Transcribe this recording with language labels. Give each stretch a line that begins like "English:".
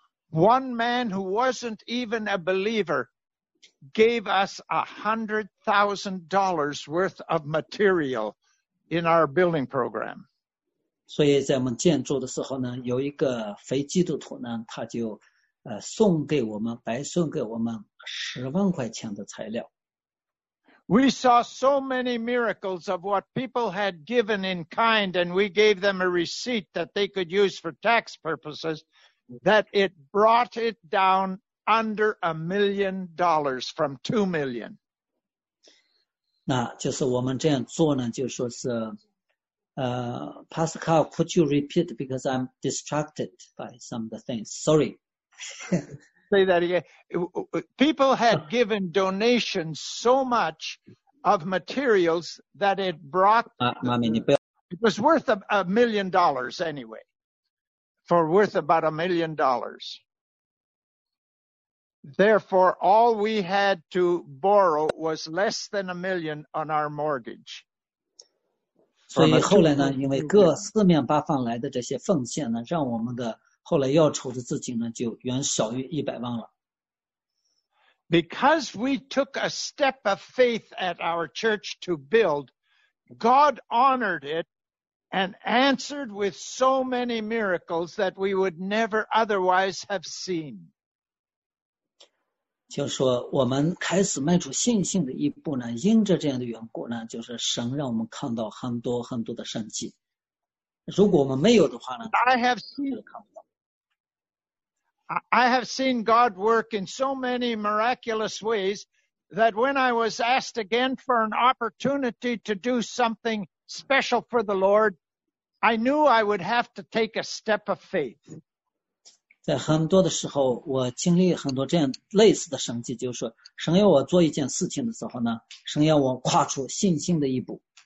English: One man who wasn't even a believer gave us $100,000 worth of material in our building program.
Chinese: 所以在我们建筑的时候呢，有一个非基督徒呢，他就送给我们白送给我们10万块钱的材料。
English: We saw so many miracles of what people had given in kind, and we gave them a receipt that they could use for tax purposes, that it brought it down under $1 million from $2 million.
Chinese: 那就是我们这样做呢，就说是
English: Pascal, could you repeat because I'm distracted by some of the things. Sorry. Say that again. People had given donations so much of materials that it brought. It was worth $1 million anyway. For worth about $1 million. Therefore, all we had to borrow was less than $1 million on our mortgage.
Chinese: 所以后来呢，因为各四面八方来的这些奉献呢，让我们的。后来要筹的资金呢就远少于100万了。
English: Because we took a step of faith at our church to build, God honored it and answered with so many miracles that we would never otherwise have seen.
Chinese: 就说我们开始迈出信心的一步呢，因着这样的缘故呢，就是神让我们看到很多很多的神迹。如果我们没有的话呢，
English: I have seen. I have seen God work in so many miraculous ways that when I was asked again for an opportunity to do something special for the Lord, I knew I would have to take a step of faith.
Chinese: 在很多的时候，我经历很多这样类似的神迹，就是神要我做一件事情的时候呢，神要我跨出信心的一步。